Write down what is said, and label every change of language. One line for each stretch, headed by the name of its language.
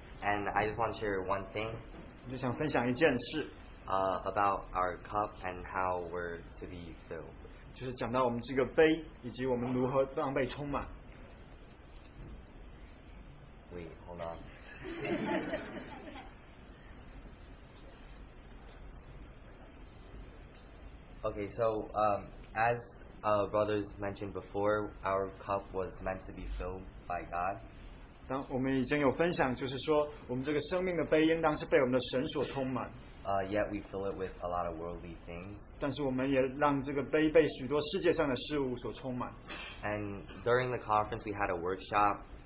English: And I just want to share one thing.
Chinese: 我就想分享一件事,
English: about our cup and how we're to be filled.
Chinese: 就是讲到我们这个杯以及我们如何让被充满。
English: Wait, hold on. Okay, so as brothers mentioned before, our cup was meant to be filled by God.
Chinese: 当我们已经有分享，就是说，我们这个生命的杯应当是被我们的神所充满。
English: Yet we fill it with a lot of worldly things.
Chinese: 但是我们也让这个杯被许多世界上的事物所充满。
English: And during the conference, we had a workshop.